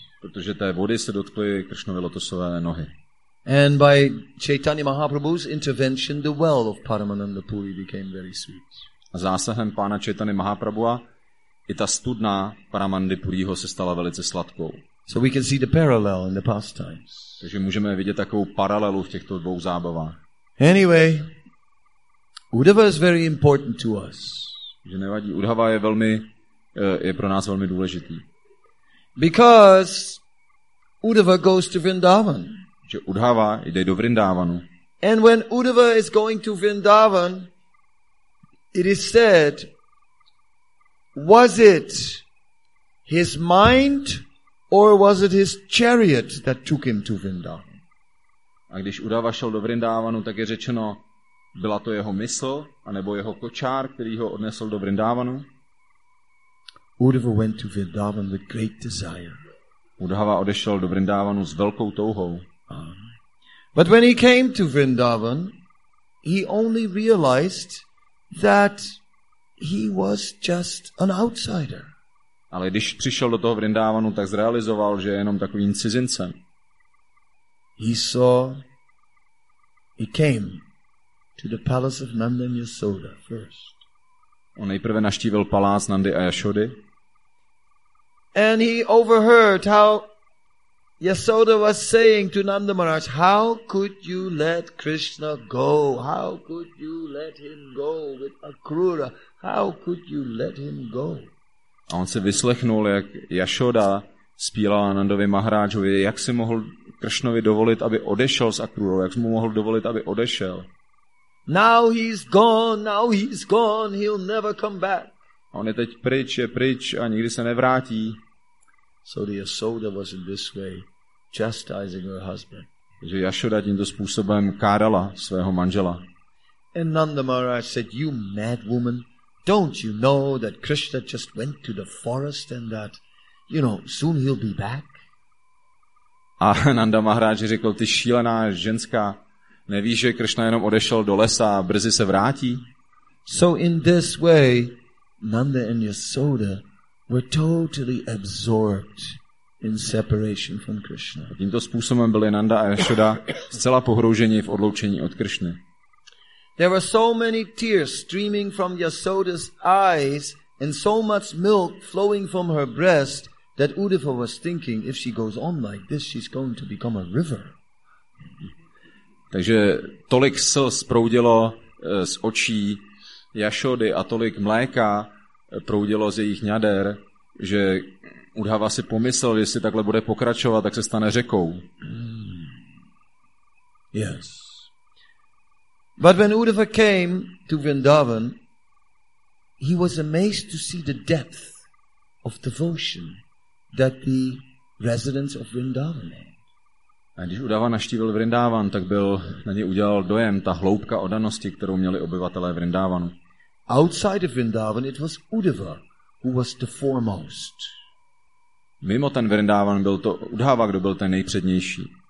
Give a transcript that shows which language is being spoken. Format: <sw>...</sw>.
<cs>Protože té vody se dotkly Krishnovy lotosové nohy.</cs> <en>And by Chaitanya Mahaprabhu's intervention, the well of Paramananda Puri became very sweet.</en> <cs>A zásahem pána Chaitanya Mahaprabhuva i ta studna Paramandy Puriho se stala velice sladkou.</cs> <en>So we can see the parallel in the pastimes.</en> <cs>Takže můžeme vidět takovou paralelu v těchto dvou zábavách.</cs> <en>Anyway, Uddhava is very important to us.</en> <cs>Že nevadí, Uddhava je pro nás velmi důležitý.</cs> <en>Because Uddhava goes to Vrindavan.</en> <cs>Že Uddhava jde do Vrindavanu.</cs> <en>And when Uddhava is going to Vrindavan, it is said, was it his mind or was it his chariot that took him to Vrindavan?</en> <cs>A když Uddhava šel do Vrindavanu, tak je řečeno, byla to jeho mysl, anebo jeho kočár, který ho odnesl do Vrindavanu?</cs> <en>Uddhava went to Vrindavan with great desire.</en> <cs>Uddhava odešel do Vrindavanu s velkou touhou.</cs> <en>But when he came to Vrindavan, he only realized that he was just an outsider.</en> <cs>Ale když přišel do toho Vrindavanu, tak zrealizoval, že je jenom takovým cizincem.</cs> <en>He came to the palace of Nanda and Yashoda first.</en> <cs>On nejprve navštívil palác Nandy a Yashody.</cs> <en>And he overheard how Yashoda was saying to Nanda Maharaj, how could you let Krishna go? How could you let him go with Akrura? How could you let him go?</en> <cs>A on se vyslechnul, jak Yashoda spílala Nandovi Maharajovi, jak si mohl Krishnovi dovolit, aby odešel s Akrurou, jak si mu mohl dovolit, aby odešel.</cs> <en>Now he's gone, now he's gone, he'll never come back.</en> <cs>On je teď pryč, je pryč a nikdy se nevrátí.</cs> <en>So the Yashoda was in this way chastising her husband.</en> <cs>Takže Yashoda tímto způsobem kárala svého manžela.</cs> <en>And Nanda Maharaj said, you mad woman, don't you know that Krishna just went to the forest and that, you know, soon he'll be back?</en> <cs>A Nanda Maharaj řekl, ty šílená ženská, nevíš, že Krishna jenom odešel do lesa a brzy se vrátí?</cs> <en>So in this way, Nanda and Yashoda were totally absorbed in separation from Krishna.</en> <cs>Tímto způsobem byli Nanda a Yashoda zcela pohrouženi v odloučení od Krishny.</cs> <en>There were so many tears streaming from Yashoda's eyes and so much milk flowing from her breast that Uddhava was thinking, if she goes on like this, she's going to become a river.</en> <cs>Takže tolik slz proudilo z očí Yashody a tolik mléka proudilo z jejich ňader, že Uddhava si pomyslel, jestli takhle bude pokračovat, tak se stane řekou.</cs> <en>Yes. But when Uddhava came to Vrindavan, he was amazed to see the depth of devotion that the residents of Vrindavan had.</en> <cs>A když Uddhava navštívil Vrindavan, tak byl na něj udělal dojem ta hloubka oddanosti, kterou měli obyvatelé Vrindavanu.</cs> <en>Outside of Vrindavan, it was Uddhava who was the foremost.</en> <cs>Mimo ten Vrindavan byl to Uddhava, kdo byl ten nejpřednější.</cs>